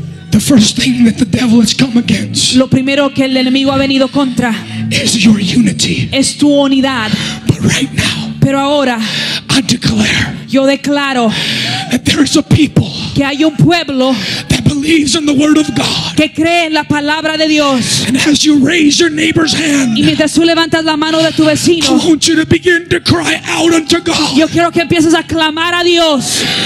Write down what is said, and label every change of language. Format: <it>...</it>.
<en>The first thing that the devil has come against.</en> <es>Lo primero que el enemigo ha venido contra.</es> <en>Is your unity.</en> <es>Es tu unidad.</es> <en>But right now.</en> <es>Pero ahora.</es> <en>I declare.</en> <es>Yo declaro.</es> <en>That there is a people.</en> <es>Que hay un pueblo.</es> <en>That believes in the word of God.</en> <es>Que cree en la palabra de Dios.</es> <en>And as you raise your neighbor's hand.</en> <es>Y mientras tú levantas la mano de tu vecino.</es> <en>I want you to begin to cry out unto God.</en> <es>Yo quiero que empieces a clamar a Dios.</es>